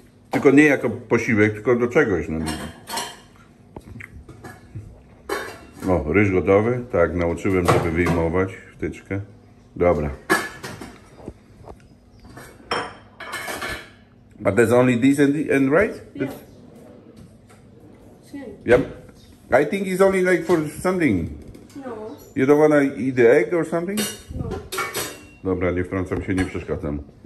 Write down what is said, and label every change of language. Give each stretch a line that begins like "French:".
Polish: Tylko nie jako posiłek, tylko do czegoś. No, o, ryż gotowy. Tak, nauczyłem, żeby wyjmować wtyczkę. Dobra.
English: But there's only this and rice? Yeah. Yeah. I think it's only like for something. No. You don't wanna eat the egg or something? No.
Polish: Dobra, nie wtrącam się, nie przeszkadzam.